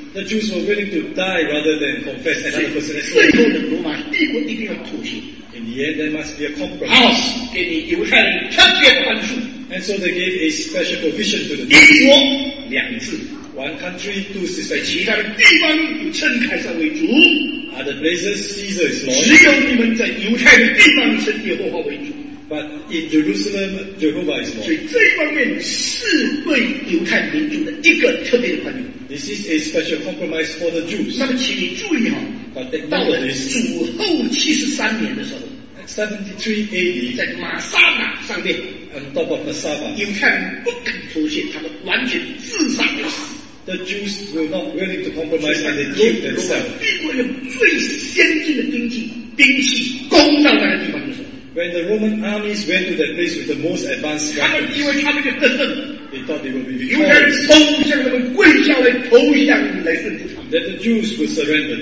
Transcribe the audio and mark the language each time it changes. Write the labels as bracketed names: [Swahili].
[English] The Jews were willing to die rather than confess another person as [Chinese] 最后的罗马帝国一定要妥协。 [English] In the end, there must be a compromise. And so they gave a special provision to the Jews. One country, two systems. Other places, Caesar is Lord. But in Jerusalem, Jehovah is Lord. [Chinese] 所以这方面是对犹太民族的一个特别的宽容。 [English] This is a special compromise for the Jews. [Chinese] 那么请你注意哈, [English] but then nowadays, [Chinese] 到了主后73年的时候, [English] 73 AD, [Chinese] 在马萨马上面, [English] on top of Massava, [Chinese] 犹太人不肯妥协, 他们完全自杀而死。 [English] The Jews were not willing to compromise and they gave themselves. When the Roman armies went to that place with the most advanced weapons, they thought they would be victorious. That the Jews would surrender